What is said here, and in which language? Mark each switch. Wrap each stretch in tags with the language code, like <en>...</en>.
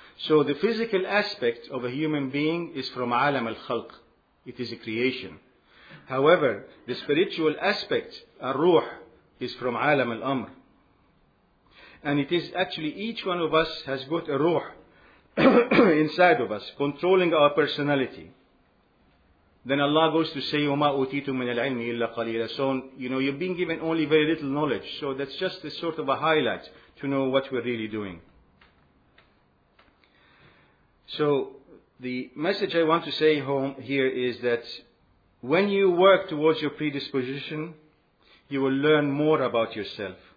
<en>So the physical aspect of a human being is from alam al-khalq. It is a creation. However, the spiritual aspect, ar-ruh, is from alam al-amr. And it is actually each one of us has got a ruh inside of us, controlling our personality. Then Allah goes to say,</en> <ar>وَمَا أُوتِيتُم مِنَ الْعِلْمِ إِلَّا قَلِيلًا.</ar> <en>So, you know, you've been given only very little knowledge. So that's just a sort of a highlight to know what we're really doing. So the message I want to say home here is that when you work towards your predisposition, you will learn more about yourself.</en>